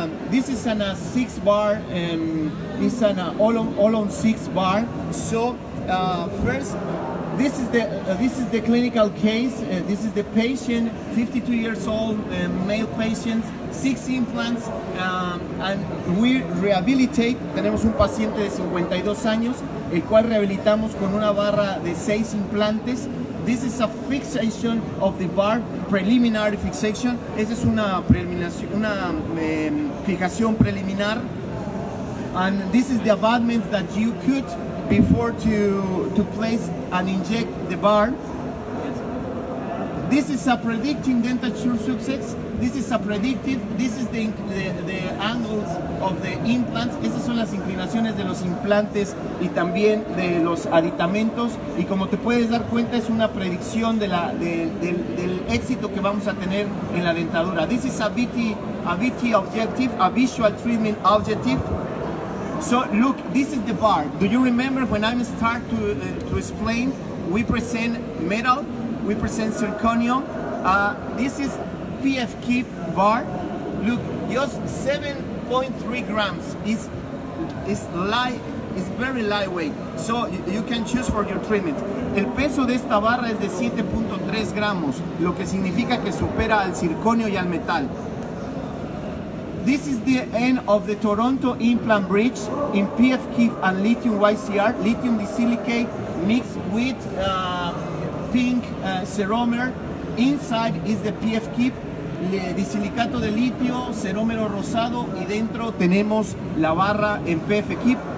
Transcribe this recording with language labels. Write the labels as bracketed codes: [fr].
[en] This is an 6-bar, it's an all on 6-bar. So first, this is the clinical case. This is the patient, 52 years old, male patient, 6 implants, and we rehabilitate. [es] Tenemos un paciente de 52 años, el cual rehabilitamos con una barra de 6 implantes. [en] This is a fixation of the bar, preliminary fixation. [es] Esa es una fijación preliminar. [en] And this is the abutment that you could before to place and inject the bar. This is a predicting dentature success. This is a predictive. This is the angles of the implants. [es] Esas son las inclinaciones de los implantes y también de los aditamentos. Y como te puedes dar cuenta, es una predicción de del éxito que vamos a tener en la dentadura. [en] This is a VT objective, a visual treatment objective. So look, this is the bar. Do you remember when I start to explain? We present metal, we present zirconium. This is Pfkeep bar. Look, just 7.3 grams. It's light, it's very lightweight. So you can choose for your treatment. [es] El peso de esta barra es de 7.3 gramos, lo que significa que supera al zirconio y al metal. [en] This is the end of the Toronto implant bridge in Pfkeep and lithium YCR, lithium disilicate mixed with pink ceromer. Inside is the Pfkeep, [es] disilicato de litio, ceromero rosado, y dentro tenemos la barra en Pfkeep.